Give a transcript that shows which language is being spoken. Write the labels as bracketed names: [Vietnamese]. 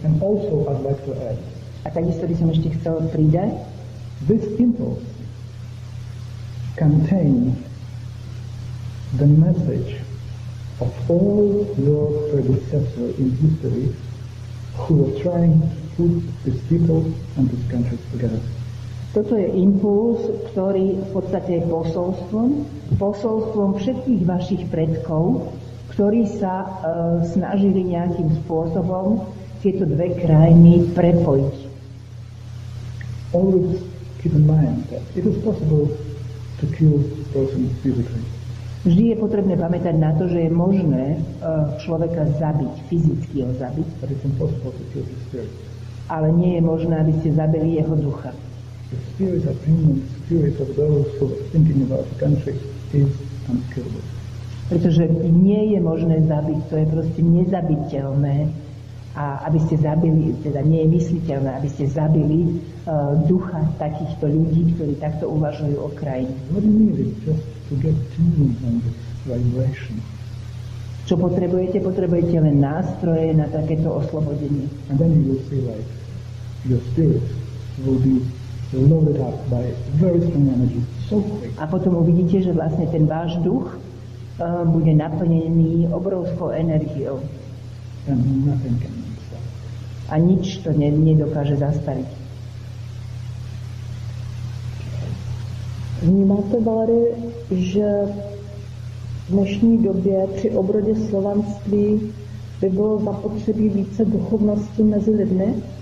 [English] And also I'd like to add. [Slovak] A takisto by som ešte chcel pridať. [English] This impulse contains the message of all your predecessors in history who were trying to put this people and this country together. [Slovak] Toto je impuls, ktorý v podstate je posolstvom všetkých vašich predkov, ktorí sa snažili nejakým spôsobom tieto dve krajiny prepojiť. [English] Always keep in mind that it is possible to kill person physically. [Slovak] Vždy je potrebné pamätať na to, že je možné človeka zabiť, fyzicky ho zabiť. [English] But it's impossible to kill the spirit. [Slovak] Ale nie je možné, aby ste zabili jeho ducha. [English] The spirit of human, the spirit of those who are thinking about the country is unkillable. [Slovak] Pretože nie je možné zabiť, to je proste nezabiteľné. A aby ste zabili, teda nie je mysliteľné, aby ste zabili ducha takýchto ľudí, ktorí takto uvažujú o krajine. [English] What do you need it just to get tuned on this vibration? [Slovak] Čo potrebujete? Potrebujete len nástroje na takéto oslobodenie. [English] And then you will see like your spirit will be loaded up by very strong energy so quick. [Slovak] A potom uvidíte, že vlastne ten váš duch bude naplnený obrovskou energiou. [English] And nothing can stop. [Slovak] A nič to nedokáže zastaviť. [Czech] Vnímáte, Valery, že v dnešní době při obrodě slovanství by bylo zapotřebí více duchovnosti mezi lidmi?